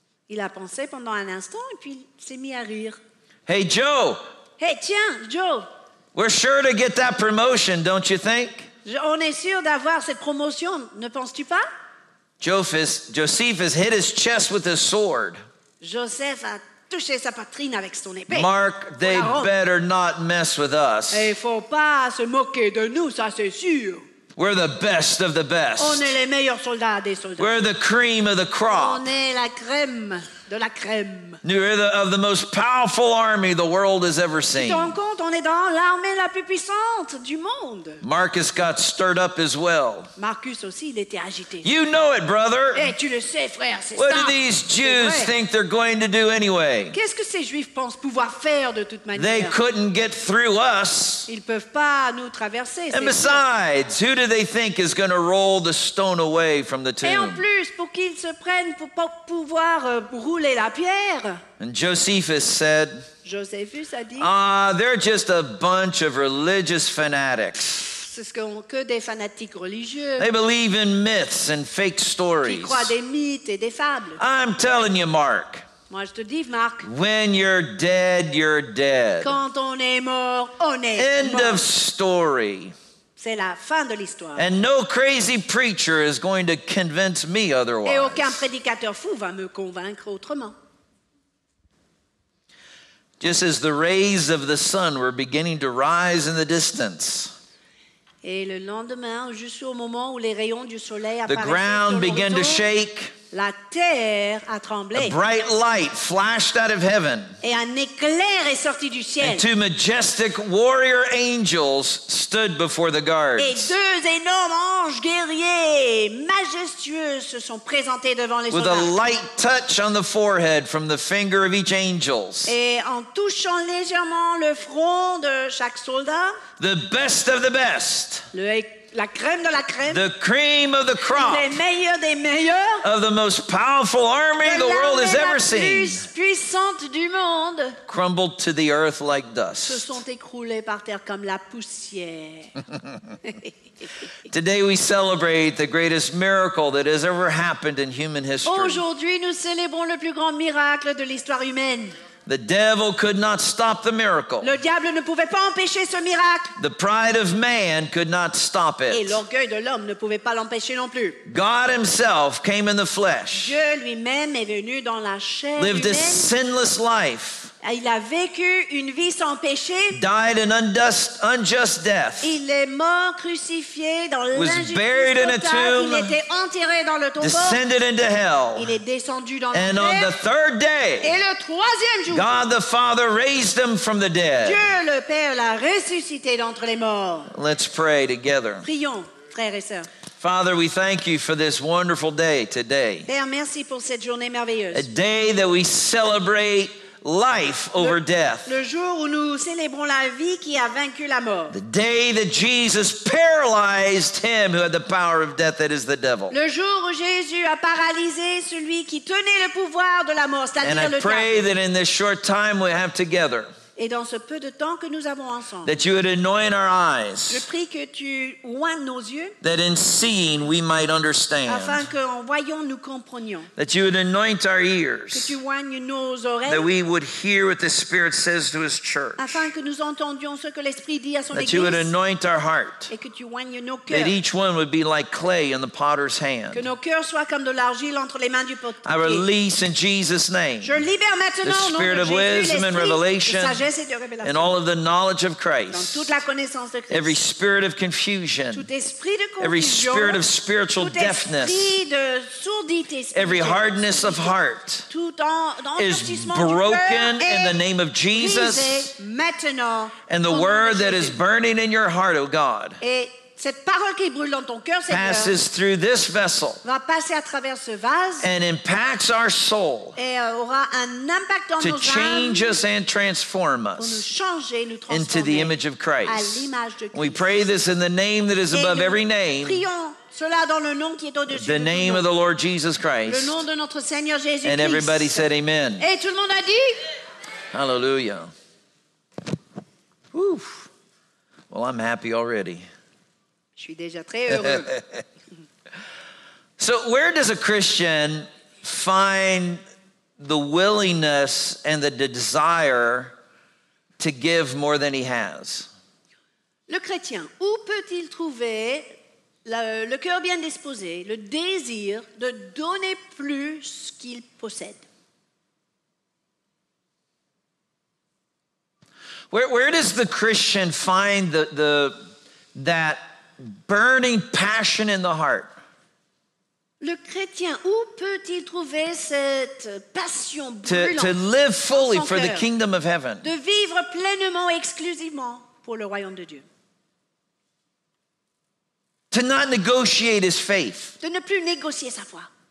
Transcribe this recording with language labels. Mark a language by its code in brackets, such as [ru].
[fr] Il a pensé pendant un instant, et puis il s'est mis à rire. [en] Hey, Joe! [fr] Hey, tiens, Joe! [en] We're sure to get that promotion, don't you think? [fr] On est sûr d'avoir cette promotion, ne penses-tu pas? [en] Josephus hit his chest with his sword. [fr] Joseph a toucher sa poitrine avec son épée. [en] Mark, they better not mess with us. [fr] Et faut pas se moquer de nous, ça c'est sûr. [en] We're the best of the best. [fr] On est les meilleurs soldats des soldats. [en] We're the cream of the crop. [fr] On est la crème de la crème. [en] We're the most powerful army the world has ever seen. [fr] Tu te rends compte, on est dans l'armée la plus puissante du monde. [en] Marcus got stirred up as well. [fr] Marcus aussi, il était agité. [en] You know it, brother. [fr] Hey, tu le sais, frère, c'est ça. [en] What do these Jews think they're going to do anyway? [fr] Qu'est-ce que ces Juifs pensent pouvoir faire de toute manière? [en] They couldn't get through us. [fr] Ils peuvent pas nous traverser. [en] And besides, who do they think is going to roll the stone away from the tomb? [fr] Et en plus, pour qu'ils se prennent pour pouvoir la pierre. [en] And Josephus said, [fr] Josephus a dit, [en] ah, they're just a bunch of religious fanatics. [fr] C'est ce qu'ont que des fanatiques religieux. [en] They believe in myths and fake stories. [fr] Ils croient des mythes et des fables. [en] I'm telling you, Mark. [fr] Moi, je te dis, Mark. [en] When you're dead, you're dead. [fr] Quand on est mort, on est [en] end [fr] mort. [en] Of story. [fr] C'est la fin de l'histoire. [en] And no crazy preacher is going to convince me otherwise. [fr] Et aucun prédicateur fou va me convaincre autrement. [en] Just as the rays of the sun were beginning to rise in the distance. [fr] Et le lendemain, juste au moment où les rayons du soleil apparaissaient, [en] the ground began to shake. [fr] La terre a tremblé. [en] A bright light flashed out of heaven. [fr] Et un éclair est sorti du ciel. [en] And two majestic warrior angels stood before the guards. [fr] Et deux énormes anges guerriers majestueux se sont présentés devant les [en] with [fr] soldats. [en] With a light touch on the forehead from the finger of each angels. [fr] Et en touchant légèrement le front de chaque soldat. [en] The best of the best. [fr] La crème de la crème. [en] The cream of the crop. [fr] Les meilleurs des meilleurs. [en] Of the most powerful army the world has ever seen. [fr] La plus puissante du monde. [en] Crumbled to the earth like dust. [fr] Se sont écroulés par terre comme la poussière. [en] Today we celebrate the greatest miracle that has ever happened in human history. [fr] Aujourd'hui nous célébrons le plus grand miracle de l'histoire humaine. [en] The devil could not stop the miracle. [fr] Le diable ne pouvait pas empêcher ce miracle. [en] The pride of man could not stop it. [fr] Et l'orgueil de l'homme ne pouvait pas l'empêcher non plus. [en] God himself came in the flesh. [fr] Dieu lui-même est venu dans la chair. [en] Lived a sinless life. [fr] Il a vécu une vie sans péché. [en] Died an unjust death. [fr] Il est mort crucifié dans l'injustice. [en] Was buried in a tomb. [fr] Il était enterré dans le tombeau. [en] Descended into hell. [fr] Il est descendu dans [en] and on the third day. [fr] Et le troisième jour. [en] God the Father raised him from the dead. [fr] Dieu le Père l'a ressuscité d'entre les morts. [en] Let's pray together. [fr] Prions, frères et sœurs. [en] Father, we thank you for this wonderful day today. [fr] Père, merci pour cette journée merveilleuse. [en] A day that we celebrate life over death. [fr] Le jour où nous célébrons la vie qui a vaincu la mort. [en] The day that Jesus paralyzed him who had the power of death, that is the devil. [fr] Le jour où Jésus a paralysé celui qui tenait le pouvoir de la mort, c'est-à-dire le [en] And I pray that in this short time we have together, [fr] et dans ce peu de temps que nous avons ensemble, [en] that you would anoint our eyes, [fr] je prie que tu oignes nos yeux, [en] that in seeing we might understand, [fr] afin qu'en voyant nous comprenions, [en] that you would anoint our ears, [fr] que tu oignes nos oreilles, [en] that we would hear what the Spirit says to his church, [fr] afin que nous entendions ce que l'Esprit dit à son [en] that [fr] église, [en] that you would anoint our heart, [fr] et que tu oignes nos cœurs, [en] that each one would be like clay in the potter's hand, [fr] que nos cœurs soient comme de l'argile entre les mains du potier. [en] I release in Jesus' name, [fr] je libère maintenant [en] the spirit [fr] au nom [en] of [fr] Jésus, [en] wisdom and revelation, [fr] et sagesse. [en] and all of the knowledge of Christ, [fr] dans toute la connaissance de Christ, [en] every spirit of confusion, [fr] tout esprit de confusion, [en] every spirit of spiritual [fr] tout esprit [en] deafness, [fr] de sourdité, [en] every hardness of heart [fr] tout en, [en] is broken in the name of Jesus. And the word that is burning in your heart, O God, [fr] cette parole qui brûle dans ton cœur, Seigneur, [en] passes through this vessel, [fr] va passer à travers ce vase, [en] and impacts our soul, [fr] et aura un impact dans [en] to [fr] nos [en] change [fr] âmes [en] us and transform us [fr] nous changer, nous transformer [en] into the image of Christ. [fr] À l'image de Christ. [en] We pray this in the name that is [fr] et [en] above every name, [fr] prions cela dans le nom qui est au-dessus [en] the name of the Lord Jesus Christ. [fr] Le nom de notre Seigneur Jésus-Christ. [en] And everybody said amen. [fr] Et tout le monde a dit? [en] Hallelujah. Whew. Well, I'm happy already. [fr] Je suis déjà très heureux. [en] So where does a Christian find the willingness and the desire to give more than he has? [fr] Le chrétien, où peut-il trouver le cœur bien disposé, le désir de donner plus qu'il possède? [en] Where does the Christian find that burning passion in the heart? [fr] Le chrétien, où peut-il trouver cette passion brûlante? [en] To live fully for the kingdom of heaven. [fr] De vivre pleinement, exclusivement pour le royaume de Dieu. [en] To not negotiate his faith. [fr] De ne plus négocier sa foi.